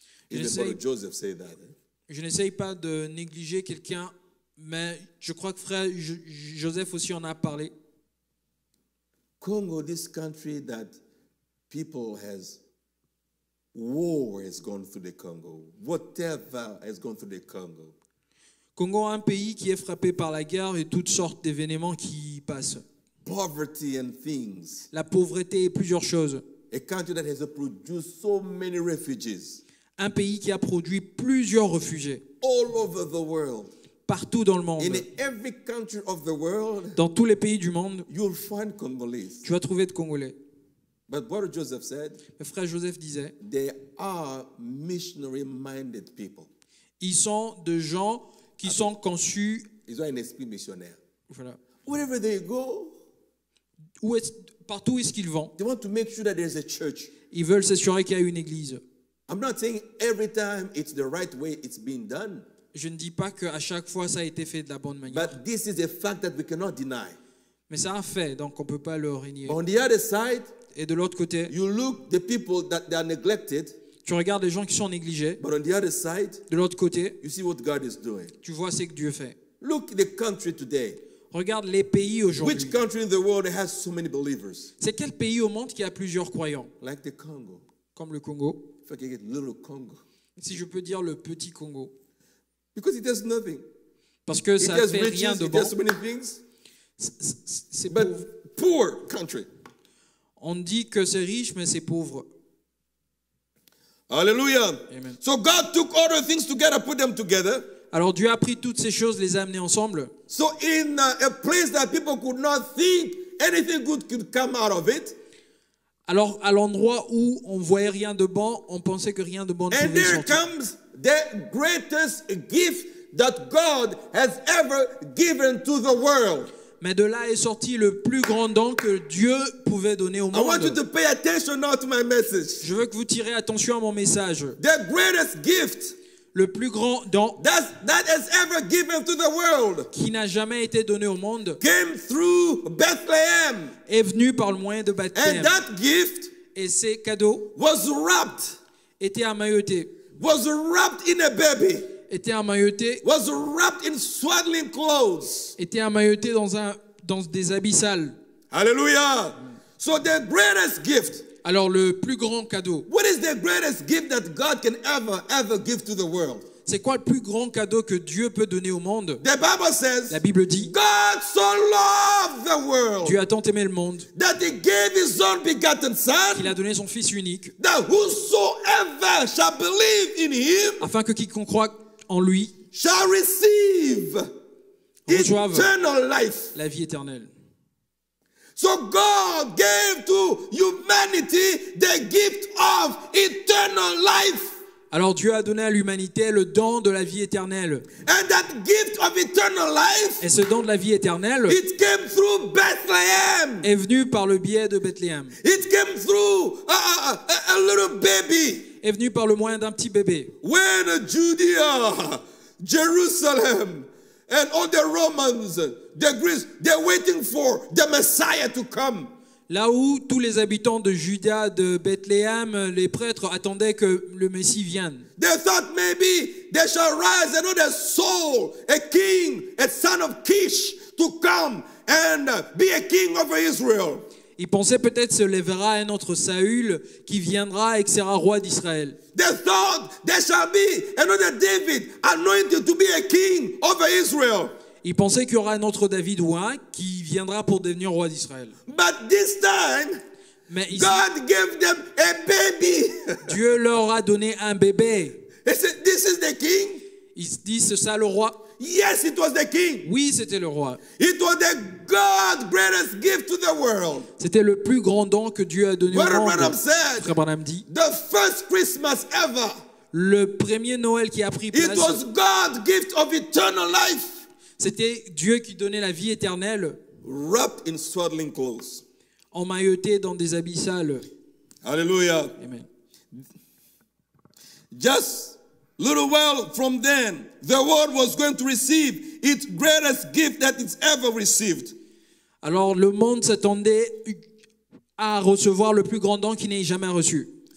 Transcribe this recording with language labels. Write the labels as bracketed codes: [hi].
[fr] je n'essaye pas de négliger quelqu'un, mais je crois que frère Joseph aussi en a parlé. [en] Congo, this country that people has war has gone through the Congo. Whatever has gone through the Congo. [fr] Congo, un pays qui est frappé par la guerre et toutes sortes d'événements qui y passent. [en] Poverty and things. [fr] La pauvreté et plusieurs choses. [en] A country that has produced so many refugees. [fr] Un pays qui a produit plusieurs réfugiés. [en] All over the world. [fr] Partout dans le monde. [en] In every country of the world, [fr] dans tous les pays du monde, [en] you'll find Congolese. [fr] Tu vas trouver des Congolais. [en] But what Joseph said, [fr] le frère Joseph disait, [en] they are missionary-minded people. [fr] Ils sont des gens qui sont conçus. Ils ont un esprit missionnaire. Voilà. [en] Wherever they go, [fr] partout où est-ce qu'ils vont, [en] they want to make sure that there's a church. [fr] Ils veulent s'assurer qu'il y a une église. [en] I'm not saying every time it's the right way it's being done. [fr] Je ne dis pas que à chaque fois ça a été fait de la bonne manière. [en] But this is a fact that we cannot deny. [fr] Mais c'est un fait, donc on peut pas le renier. [en] On the other side, [fr] et de l'autre côté, [en] you look the people that they are neglected. [fr] Tu regardes les gens qui sont négligés. [en] But on the other side, [fr] de l'autre côté, [en] you see what God is doing. [fr] Tu vois ce que Dieu fait. [en] Look at the country today. [fr] Regarde les pays aujourd'hui. [en] Which country in the world has so many believers? [fr] C'est quel pays au monde qui a plusieurs croyants? [en] Like the Congo. [fr] Comme le Congo. [en] Little Congo. [fr] Si je peux dire le petit Congo. [en] Because it has nothing. [fr] Parce que [en] it [fr] ça fait [en] riches, [fr] rien de [en] it [fr] bon. [en] Has so many things. [fr] C'est [en] but poor country. [fr] On dit que c'est riche mais c'est pauvre. Alléluia. Amen. [en] So God took all the things together, put them together. [fr] Alors Dieu a pris toutes ces choses, les a amenées ensemble. [en] So in a place that people could not think anything good could come out of it. [fr] Alors, à l'endroit où on voyait rien de bon, on pensait que rien de bon [en] and [fr] pouvait sortir. [en] And there comes the greatest gift that God has ever given to the world. [fr] Mais de là est sorti le plus grand don que Dieu pouvait donner au monde. [en] I want you to pay attention now to my message. [fr] Je veux que vous tirez attention à mon message. [en] The greatest gift. [fr] Le plus grand don. [en] That has ever given to the world. [fr] Qui n'a jamais été donné au monde. [en] Came through Bethlehem. [fr] Est venu par le moyen de Bethléem. [en] And that gift [fr] et ces cadeaux [en] was wrapped, [fr] était emmailloté, [en] was wrapped in a baby, [fr] était emmailloté, [en] was wrapped in swaddling clothes, [fr] était emmailloté dans des habits sales. [en] Hallelujah. So the greatest gift, [fr] alors le plus grand cadeau, [en] what is the greatest gift that God can ever ever give to the world? [fr] C'est quoi le plus grand cadeau que Dieu peut donner au monde? [en] The Bible says, [fr] la Bible dit, [en] God so loved the world, [fr] Dieu a tant aimé le monde, [en] that he gave his own begotten son, [fr] qu'il a donné son fils unique, [en] that whosoever shall believe in him, [fr] afin que quiconque croit en lui [en] shall receive, Eternal life. [fr] La vie éternelle. [en] So God gave to humanity the gift of eternal life. [fr] Alors Dieu a donné à l'humanité le don de la vie éternelle. [en] And that gift of eternal life, [fr] et ce don de la vie éternelle, [en] it came through Bethlehem. [fr] Est venu par le biais de Bethléem. [en] It came through a little baby. [fr] Est venu par le moyen d'un petit bébé. [en] When Judea, Jerusalem, and all the Romans, the Greeks, they're waiting for the Messiah to come. [fr] Là où tous les habitants de Juda, de Bethléem, les prêtres attendaient que le Messie vienne. [en] They thought maybe they shall rise another soul, a king, a son of Kish, to come and be a king over Israel. [fr] Ils pensaient peut-être se lèvera un autre Saül qui viendra et qui sera roi d'Israël. [en] They thought there shall be another David anointed to be a king over Israel. [fr] Ils pensaient qu'il y aura un autre David ou un qui viendra pour devenir roi d'Israël. [en] But this time, [fr] mais ici, [en] God gave them a baby. [fr] Dieu leur a donné un bébé. [en] This is the king. [fr] Ils disent, c'est ça le roi. [en] Yes, it was the king. [fr] Oui, c'était le roi. [en] It was the God's greatest gift to the world. [fr] C'était le plus grand don que Dieu a donné au monde. [en] Brother Branham said, [fr] Frère Branham dit, [en] the first Christmas ever. [fr] Le premier Noël qui a pris place. [en] It was God's gift of eternal life. [fr] C'était Dieu qui donnait la vie éternelle. [en] Wrapped in swaddling clothes. [fr] Emmailloté dans des habits sales. Alléluia. Amen. [en] Just a little while from then, the world was going to receive its greatest gift that it's ever received. [fr] Alors le monde s'attendait à recevoir le plus grand don qu'il n'ait jamais reçu.